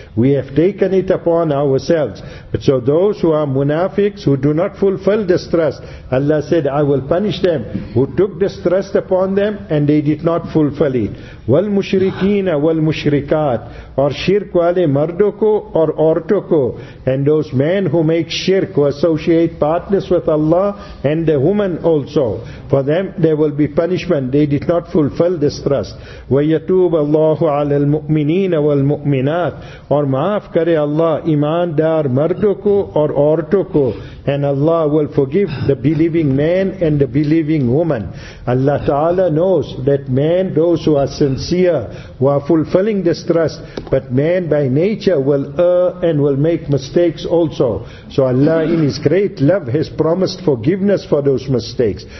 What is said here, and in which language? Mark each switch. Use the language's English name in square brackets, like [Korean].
[English] We have taken it upon ourselves. But so those who are munafiqs, who do not fulfill this trust, Allah said, I will punish them who took this trust upon them and they did not fulfill it. [Arabic] Wal mushrikeena wal mushrikat. [Urdu] Or shirk wale mardo ko aur aurto ko. [English] And those men who make shirk, who associate partners with Allah and the woman also. For them, there will be punishment. They did not fulfill this trust. [Arabic] وَيَتُوبَ اللَّهُ عَلَى الْمُؤْمِنِينَ وَالْمُؤْمِنَاتِ [Urdu] اور معاف کرے اللہ ایمان دار مردوں کو اور عورتوں کو. [English] And Allah will forgive the believing man and the believing woman. Allah Ta'ala knows that man, those who are sincere, who are fulfilling this trust, but man by nature will err and will make mistakes also. So Allah in His great love has promised forgiveness for those mistakes.